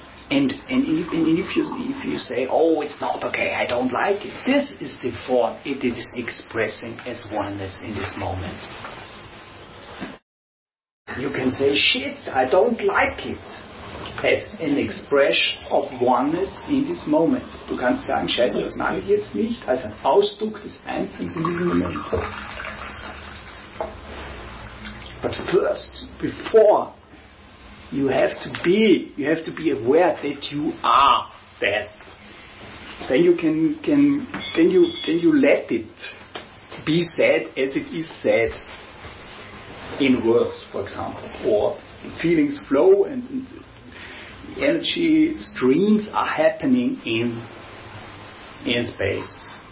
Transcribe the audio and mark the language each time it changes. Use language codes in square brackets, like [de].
[en] And if you say, oh, it's not okay, I don't like it, this is the form it is expressing as oneness in this moment. You can say, shit, I don't like it, as an expression of oneness in this moment. [de] Du kannst sagen, scheiße, das mag ich jetzt nicht, als ein Ausdruck des Einzelnen in diesem Moment. [en] But first, before, You have to be aware that you are that. Then you let it be said as it is said in words, for example, or feelings flow and energy streams are happening in space.